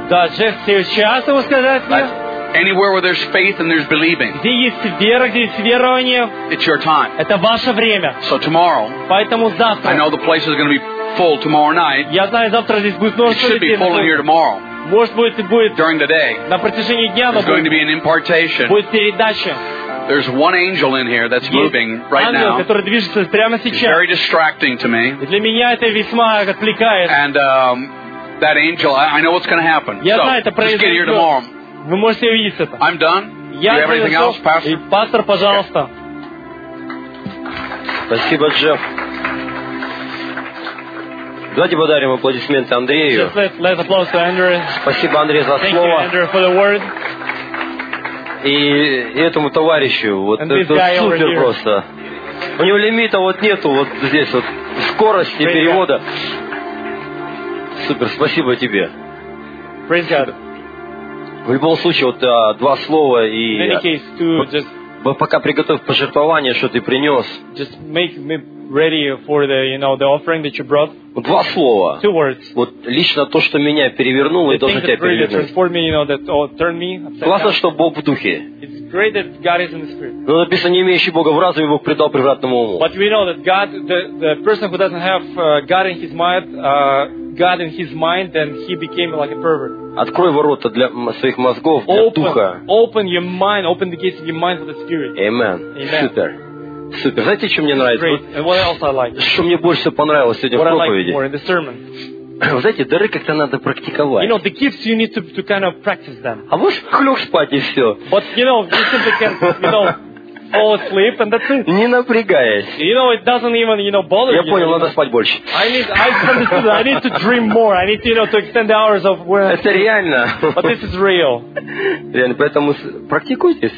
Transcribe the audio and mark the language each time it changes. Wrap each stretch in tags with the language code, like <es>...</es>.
<ru>Да, Джефф, сейчас ему сказать мне.</ru> <en>Anywhere where there's faith and there's believing.</en> <ru>Где есть вера, где есть верование.</ru> <en>It's your time.</en> <ru>Это ваше время.</ru> <en>So tomorrow.</en> <ru>Поэтому завтра.</ru> <en>I know the place is going to be full tomorrow night.</en> <ru>Я знаю, завтра здесь будет множество людей.</ru> <en>It should be full in here tomorrow.</en> <ru>Может быть, будет</ru> <en>during the day.</en> <ru>На протяжении дня,</ru> <en>there's going to be an impartation.</en> <ru>Будет передача.</ru> <en>There's one angel in here that's moving right</en> <ru>ангел,</ru> <en>now.</en> <ru>Который движется прямо сейчас.</ru> <en>Very distracting to me.</en> <ru>И для меня это весьма отвлекает.</ru> <en>And that angel, I know what's going to happen.</en> <ru>Я</ru> <en>so,</en> <ru>знаю, это произойдет.</ru> <en>Just get here tomorrow.</en> <ru>Вы можете увидеть это.</ru> <en>I'm done.</en> <ru>Я</ru> <en>do you have anything</en> <ru>пришел.</ru> <en>Else, Pastor?</en> <ru>И пастор, пожалуйста. Okay. Спасибо, Джефф. Давайте подарим аплодисменты Андрею. Спасибо, Андрей, за слово. И этому товарищу. Вот это супер просто. У него лимита вот нету вот здесь вот скорости перевода. Супер, спасибо тебе. В любом случае, вот два слова и... Мы пока приготовим пожертвование, что ты принес.</ru> <en>Just make me ready for the, you know, the offering that you brought.</en> <ru>Два слова.</ru> <en>Two words.</en> <ru>Вот лично то, что меня перевернуло, и должно тебя</ru> <en>really</en> <ru>перевернуть.</ru> <en>Me, you know, that, turn me upside down.</en> <ru>Классно, что Бог в духе.</ru> <en>It's great that God is in the spirit.</en> <ru>Но написано, не имеющий Бога в разуме, Бог предал превратному уму.</ru> <en>But we know that God, the person who doesn't have God in his mind, God in his mind, then he became like a pervert.</en> <ru>Открой ворота для своих мозгов, для</ru> <en>open,</en> <ru>духа.</ru> <en>Open your mind, open the gates of your mind for the spirit. Amen. Amen.</en> <ru>Супер. Супер. Знаете, что мне нравится?</ru> <en>What else I like?</en> <ru>Что мне больше всего понравилось сегодня</ru> <en>what</en> <ru>в проповеди?</ru> <en>Like more in the sermon.</en> <ru>Вы знаете, дары как-то надо практиковать.</ru> <en>You know, the gifts you need to kind of practice them.</en> <ru>А вы ж клюк спать и все.</ru> <en>But you know, you simply can't, you know, fall asleep and that's it.</en> <ru>Не напрягаясь.</ru> <en>You know, it doesn't even, you know, bother</en> <ru>я</ru> <en>you.</en> <ru>Я понял,</ru> <en>know.</en> <ru>Надо спать больше.</ru> <en>I need to dream more. I need, you know, to extend the hours of work.</en> <ru>Это реально.</ru> <en>But this is real.</en> <ru>Реально, поэтому практикуйтесь.</ru>